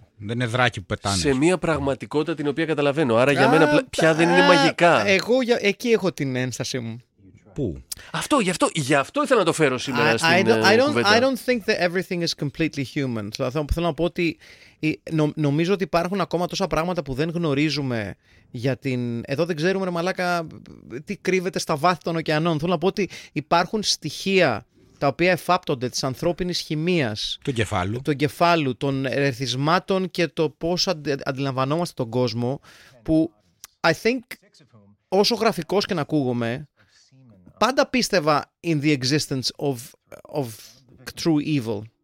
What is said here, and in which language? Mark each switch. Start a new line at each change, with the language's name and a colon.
Greek: Δεν είναι δράκι που πετάνε. Σε μια πραγματικότητα την οποία καταλαβαίνω. Άρα για μένα πια δεν είναι μαγικά. Εγώ εκεί έχω την ένστασή μου. Πού? Αυτό, γι' αυτό ήθελα να το φέρω σήμερα στην κουβέντα.
English: I don't think that everything is completely human.
Greek: Θέλω να πω ότι νομίζω ότι υπάρχουν ακόμα τόσα πράγματα που δεν γνωρίζουμε για την... Εδώ δεν ξέρουμε, ρε μαλάκα, τι κρύβεται στα βάθη των ωκεανών. Θέλω να πω ότι υπάρχουν στοιχεία τα οποία εφάπτονται της ανθρώπινης χημίας. Του κεφάλου. Του κεφάλου, των ερεθισμάτων και το πώς αντιλαμβανόμαστε τον κόσμο, που
English: I think,
Greek: όσο γραφικός και να ακούγομαι, πάντα πίστευα
English: in the existence of true evil.